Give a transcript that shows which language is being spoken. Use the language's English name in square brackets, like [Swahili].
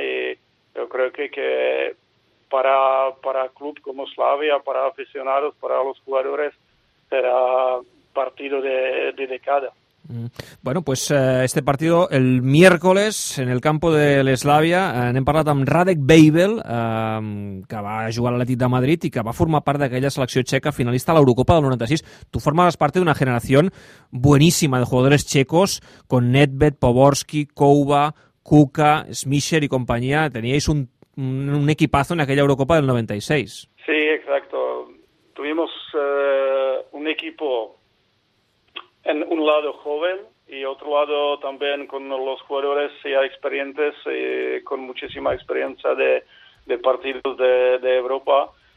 [Spanish] Y yo creo que para club como Slavia, para aficionados, para los jugadores, será partido de década. Bueno, pues este partido el miércoles en el campo de l'Eslàvia. [Catalan] N'hem parlat amb Radek Babel, que va jugar a l'Atlètic de Madrid i que va formar part d'aquella selecció txeca finalista a l'Eurocopa del 96. Tu formaves part d'una generació bueníssima de jugadores txecos, con Nedved, Poborský, Kouba, Kuka, Smisher i companyia. [Spanish] Teníais un equipazo en aquella Eurocopa del 96. Sí, exacto. Tuvimos un equipo en un lado joven y otro lado también con los jugadores ya experientes y con muchísima experiencia de partidos de Europa.